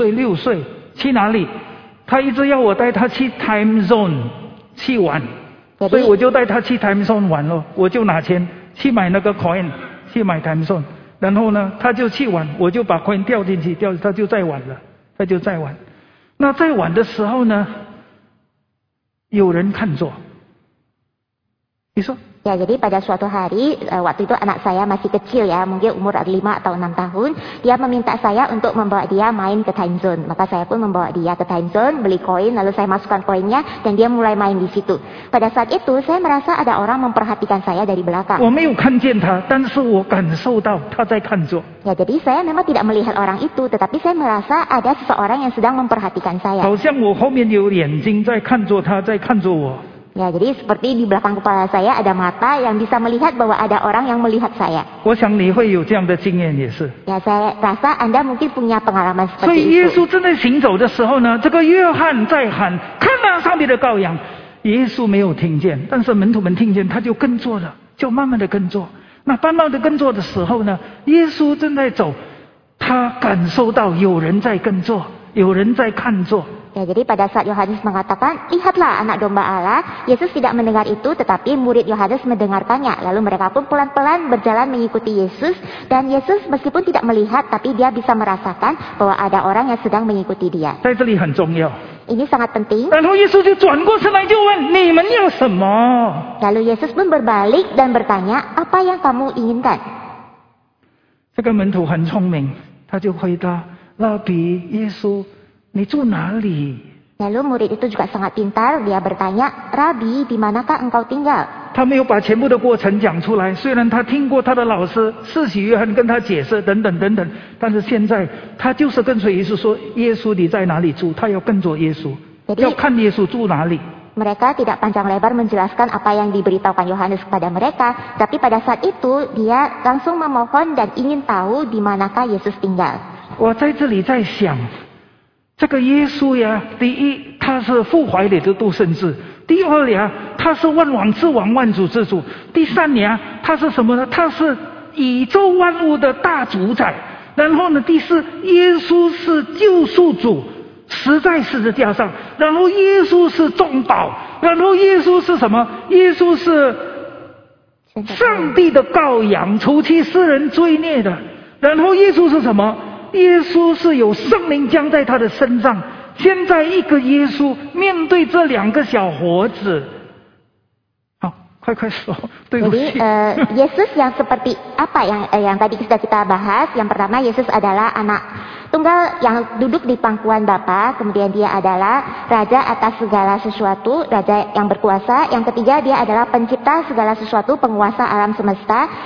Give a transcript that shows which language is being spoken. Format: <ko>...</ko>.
<zh>那一天我带我的小女儿，她可能才五岁六岁，去哪里？她一直要我带她去 time zone 去玩，所以我就带她去 time zone 玩咯，我就拿钱去买那个 coin 去买 time zone，然后呢，她就去玩，我就把 coin 掉进去，掉她就再玩了，她就再玩。那在玩的时候呢，有人看着，你说。</zh> <id>Ya, jadi pada suatu hari, waktu itu anak saya masih kecil ya, mungkin umur 5 atau 6 tahun, dia meminta saya untuk membawa dia main ke time zone. Maka saya pun membawa dia ke time zone, beli koin, lalu saya masukkan koinnya, dan dia mulai main di situ. Pada saat itu, saya merasa ada orang memperhatikan saya dari belakang.</id> <zh>我没有看见他, 但是我感受到他在看着。</zh> <id>Ya, jadi saya memang tidak melihat orang itu, tetapi saya merasa ada seseorang yang sedang memperhatikan saya.</id> <zh>好像我后面有眼睛在看着他,在看着我。</zh> <id>Ya, jadi seperti di belakang kepala saya ada mata yang bisa melihat bahwa ada orang yang melihat saya.</id> <zh>我想你会有这样的经验也是。</zh> <id>Ya, saya rasa Anda mungkin punya pengalaman seperti itu.</id> <zh>所以耶稣正在行走的时候呢，这个约翰在喊，看啊，上帝的羔羊。耶稣没有听见，但是门徒们听见，他就跟着了，就慢慢的跟着。那慢慢的跟着的时候呢，耶稣正在走，他感受到有人在跟着，有人在看着。</zh> <id>Ya, jadi pada saat Yohanes mengatakan, lihatlah anak domba Allah, Yesus tidak mendengar itu, tetapi murid Yohanes mendengarkannya. Lalu mereka pun pelan-pelan berjalan mengikuti Yesus, dan Yesus meskipun tidak melihat, tapi dia bisa merasakan bahwa ada orang yang sedang mengikuti dia. Ini sangat penting. Lalu Yesus pun berbalik dan bertanya, apa yang kamu inginkan? Ini sangat penting. Dan Yesus juga berbalik dan bertanya, apa yang kamu inginkan?</id> <zh>你住哪里?</zh> <id>Lalu murid itu juga sangat pintar, dia bertanya, Rabi, di manakah engkau tinggal?</id> <zh>他没有把全部的过程讲出来，虽然他听过他的老师，施洗约翰跟他解释等等等等， 但是现在他就是跟随耶稣说，耶稣你在哪里住，他要跟着耶稣， 要看耶稣住哪里。</zh> <id>Mereka tidak panjang lebar menjelaskan apa yang diberitahukan Yohanes kepada mereka, tapi pada saat itu dia langsung memohon dan ingin tahu di manakah Yesus tinggal.</id> <zh>我在这里在想， 这个耶稣呀，第一，他是父怀里的独生子；第二呀，他是万王之王、万主之主；第三呀，他是什么呢？他是宇宙万物的大主宰，然后呢第四，耶稣是救赎主，实在十字架上，然后耶稣是众宝，然后耶稣是什么？耶稣是上帝的羔羊，除去世人罪孽的。然后耶稣是什么？耶稣是有圣灵降在他的身上。现在一个耶稣面对这两个小伙子，好，快快说，对不起。</zh> <id>Yesus yang seperti apa yang tadi sudah kita bahas. Yang pertama, Yesus adalah anak tunggal yang duduk di pangkuan Bapa, kemudian dia adalah raja atas segala sesuatu, raja yang berkuasa. Yang ketiga, dia adalah pencipta segala sesuatu, penguasa alam semesta.</id>